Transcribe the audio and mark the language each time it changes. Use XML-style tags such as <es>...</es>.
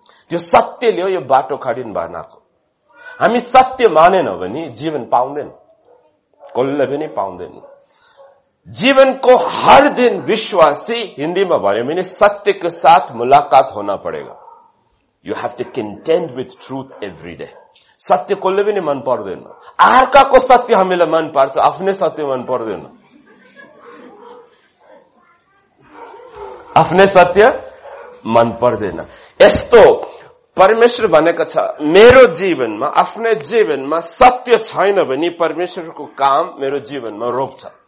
<ne>त्यो सत्यले हो यो बाटो कठिन बनाएको। हामी सत्य मानेनौ भने जीवन पाउँदैन, कसले पनि पाउँदैन। जीवनको हर दिन विश्वासी, हिन्दीमा भन्यो भने</ne> <hi>सत्यको साथ मुलाकात हुन पड़ेगा।</hi> <en>You have to contend with truth every day.</en> <ne>सत्य कसले पनि मन पर्दैन, अर्काको सत्य हामीलाई मन पर्छ, आफ्नै सत्य मन पर्दैन। आफ्नै सत्य मन पर्दैन। यस्तो परमेश्वर भनेको छ, मेरो जीवनमा, आफ्नै जीवनमा सत्य छैन भने परमेश्वरको काम मेरो जीवनमा रोक्छ।</ne>